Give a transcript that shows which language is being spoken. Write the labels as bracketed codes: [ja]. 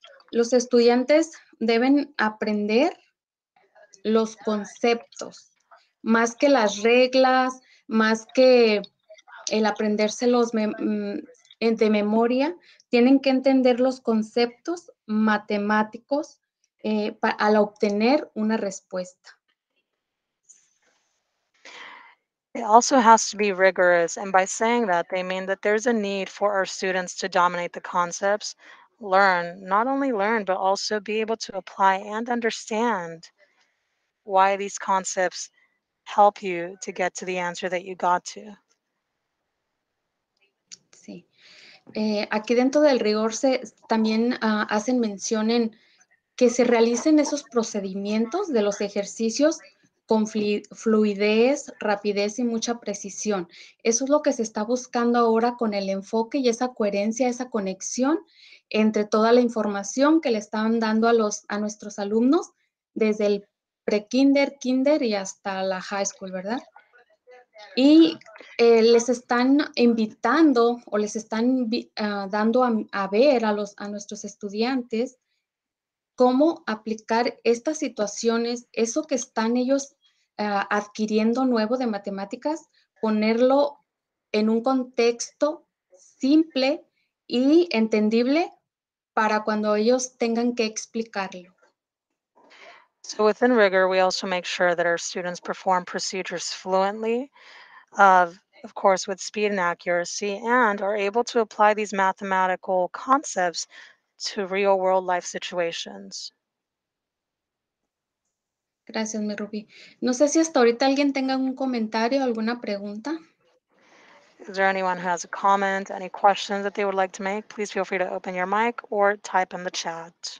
[es] Los estudiantes deben aprender los conceptos, más que las reglas, más que el aprendérselos de memoria, tienen que entender los conceptos matemáticos al obtener una respuesta. [en] It also has to be rigorous, and by saying that, they mean that there's a need for our students to dominate the concepts, learn, not only learn, but also be able to apply and understand why these concepts help you to get to the answer that you got to. [es] Sí. Aquí dentro del rigor se también hacen mención en que se realicen esos procedimientos de los ejercicios con fluidez, rapidez y mucha precisión. Eso es lo que se está buscando ahora con el enfoque y esa coherencia, esa conexión entre toda la información que le están dando a nuestros alumnos desde el pre-kinder, kinder y hasta la [en] high school, [es] ¿verdad? Y les están invitando o les están dando a ver a nuestros estudiantes cómo aplicar estas situaciones, eso que están ellos adquiriendo nuevo de matemáticas, ponerlo en un contexto simple y entendible para cuando ellos tengan que explicarlo. [en] So within rigor, we also make sure that our students perform procedures fluently, of course, with speed and accuracy, and are able to apply these mathematical concepts to real world life situations. [es] Gracias, mi Ruby. No sé si hasta ahorita alguien tenga un comentario o alguna pregunta. [en] Is there anyone who has a comment, any questions that they would like to make? Please feel free to open your mic or type in the chat.